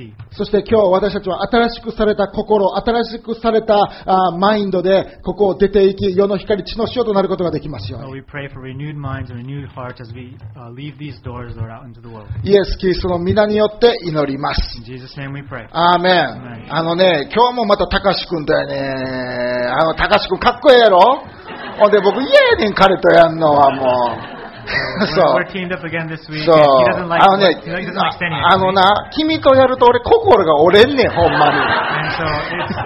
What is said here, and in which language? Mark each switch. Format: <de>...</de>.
<ja>そして今日私たちは新しくされた心、新しくされたマインドでここを出ていき、世の光、地の塩となることができますように。</ja> <en>We pray for renewed minds and renewed hearts as we leave these doors, Lord, out into the world.</en> <ja>イエス・キリストの名によって祈ります。</ja> <en>In Jesus' name we pray. Amen.</en> <ja>あのね、今日もまたたかしくんだよね。あのたかしくんかっこええやろ。ほんで僕嫌やねん、彼とやんのはもう。そう。そう。あのね、あのな、君とやると俺心が折れんねん、ほんまに。</ja>